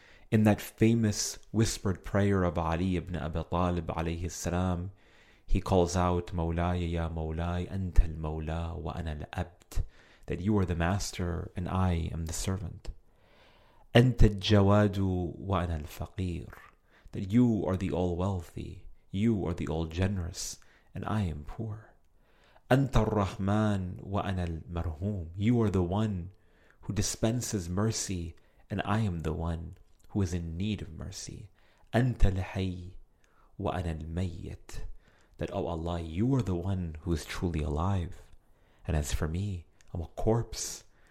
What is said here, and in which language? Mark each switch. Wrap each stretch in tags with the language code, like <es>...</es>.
<en>In that famous whispered prayer of Ali ibn Abi Talib alayhi salam, he calls out, Mawlaya ya Mawlai, anta al-Mawla wa ana al-Abd, that you are the master and I am the servant. Anta al-Jawadu wa ana al-Faqir, that you are the all-wealthy, you are the all-generous, and I am poor.</en> <ar>أنت الرحمن وأنا المرحوم.</ar> <en>You are the one who dispenses mercy, and I am the one who is in need of mercy.</en> <ar>أنت الحي وأنا الميت.</ar> <en>That, O Allah, you are the one who is truly alive. And as for me, I'm a corpse.</en>